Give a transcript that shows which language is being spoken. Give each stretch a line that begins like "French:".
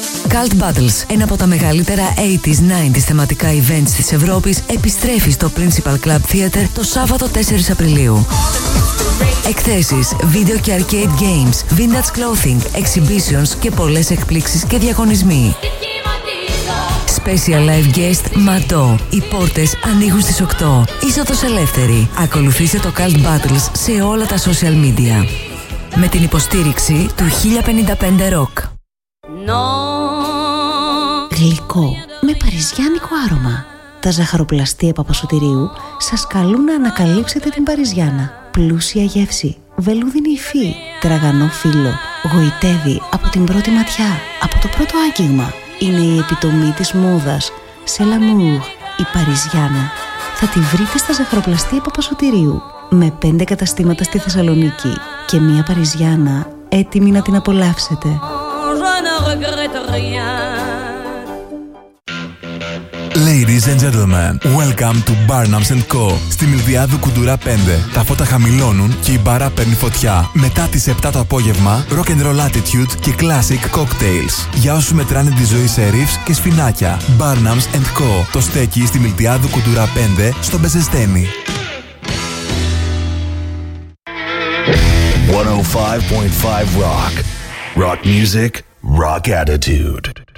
Greek: Cult Battles, ένα από τα μεγαλύτερα 80s, 90s θεματικά events της Ευρώπης, επιστρέφει στο Principal Club Theater το Σάββατο 4 Απριλίου. Εκθέσεις, βίντεο και arcade games, vintage clothing, exhibitions και πολλές εκπλήξεις και διαγωνισμοί. Special live guest Ματώ. Οι πόρτες ανοίγουν στις 8. Είσοδος ελεύθερη. Ακολουθήστε το Cult Battles σε όλα τα social media. Με την υποστήριξη του 1055 Rock.
English: No.
Greek: Γλυκό με παριζιάνικο άρωμα. Τα ζαχαροπλαστεία Παπασωτηρίου σας καλούν να ανακαλύψετε την Παριζιάνα. Πλούσια γεύση, βελούδινη υφή, τραγανό φύλλο. Γοητεύει από την πρώτη ματιά, από το πρώτο άγγιγμα. Είναι η επιτομή της μόδας. Σε Λαμούρ, η Παριζιάνα. Θα τη βρείτε στα ζαχαροπλαστεία Παπασωτηρίου, με 5 καταστήματα στη Θεσσαλονίκη και μια Παριζιάνα έτοιμη να την απολαύσετε.
English: Ladies and gentlemen, welcome to Barnum's & Co.
Greek: Στη Μιλτιάδου Κουντουρά 5. Τα φώτα χαμηλώνουν και η μπάρα παίρνει φωτιά. Μετά τις 7 το απόγευμα, rock and roll attitude και classic cocktails. Για όσους μετράνε τη ζωή σε ρίφς και σφινάκια. Barnum's & Co. Το στέκει στη Μιλτιάδου Κουντουρά 5 στο Μπεζεσταίνη.
English: 105.5 Rock. Rock music. Rock attitude.